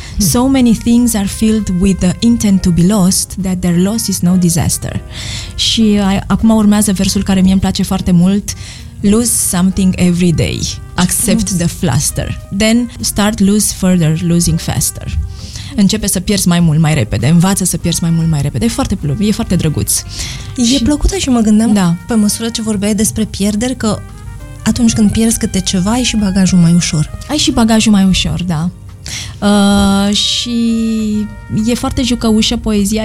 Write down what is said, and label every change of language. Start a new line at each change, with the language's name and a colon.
English: So many things are filled with the intent to be lost that their loss is no disaster.
Romanian: Și acum urmează versul care mie îmi place foarte mult.
English: Lose something every day. Accept the fluster. Then start lose further, losing faster.
Romanian: Începe să pierzi mai mult, mai repede. Învață să pierzi mai mult, mai repede. E foarte drăguț. E plăcută și mă gândeam, da, pe măsură ce vorbeai despre pierderi, că atunci când pierzi câte ceva, ai și bagajul mai ușor. Ai și bagajul mai ușor, da. Și e foarte jucăușă poezia.